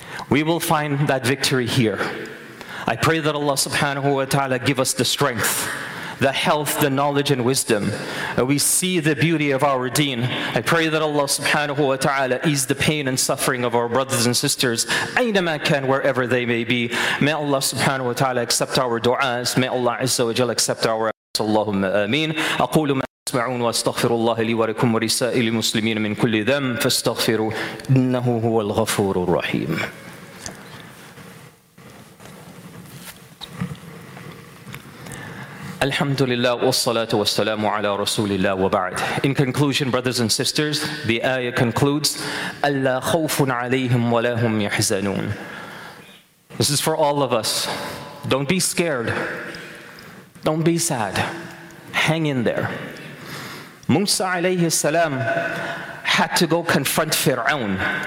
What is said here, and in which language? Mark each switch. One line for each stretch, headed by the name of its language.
English: We will find that victory here. I pray that Allah subhanahu wa ta'ala give us the strength, the health, the knowledge and wisdom. We see the beauty of our deen. I pray that Allah subhanahu wa ta'ala ease the pain and suffering of our brothers and sisters,
Arabic: aynama kan,
English: wherever they may be. May Allah subhanahu wa ta'ala accept our du'as. May Allah azza wa jalla accept our efforts. Allahumma ameen.
Arabic: Aqulu ma اسمعون واستغفروا الله لي ولكم ورسائل المسلمين من كل ذنب فاستغفروا إنه هو الغفور الرحيم. الحمد لله والصلاة والسلام على رسول الله وبعد.
English: In conclusion, brothers and sisters, the ayah concludes,
Arabic: ألا خوف عليهم ولا هم يحزنون.
English: This is for all of us. Don't be scared. Don't be sad. Hang in there. Musa alayhi salam had to go confront Fir'aun.